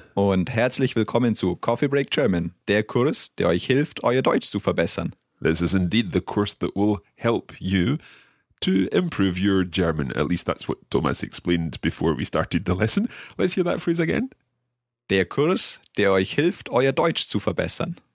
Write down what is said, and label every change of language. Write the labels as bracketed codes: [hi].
[de] Und herzlich willkommen zu Coffee Break German, der Kurs, der euch hilft, euer Deutsch zu verbessern. [en] This is indeed the course that will help you to improve your German. At least that's what Thomas explained before we started the lesson. Let's hear that phrase again. [de] Der Kurs, der euch hilft, euer Deutsch zu verbessern.